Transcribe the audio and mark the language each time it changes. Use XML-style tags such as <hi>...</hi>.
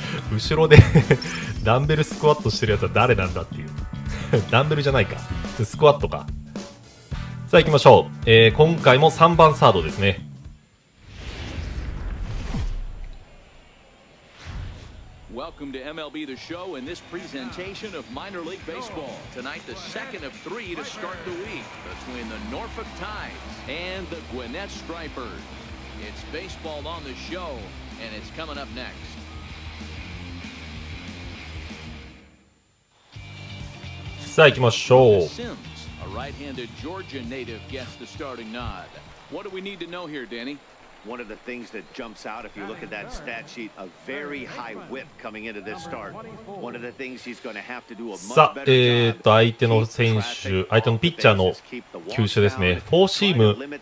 <ja>後ろでダンベルスクワットしてるやつは誰なんだっていうダンベルじゃないか、スクワットか。さあ行きましょう、今回も3番サードですね。</ja> <en>Welcome to MLB The Show and this presentation of Minor League Baseball. Tonight, the second of three to start the week between the Norfolk Tides and the Gwinnett Stripers. It's baseball on the show and it's coming up next.</en> <ja>さあ行きましょう。</ja> <en>A right-handed Georgia native gets the starting nod. What do we need to know here, Danny? One of the things that jumps out, if you look at that stat sheet, a very high whip coming into this start. One of the things he's going to have to do a much better job.</en> <ja>さあ、相手のピッチャーの球種ですね。フォーシーム。</ja>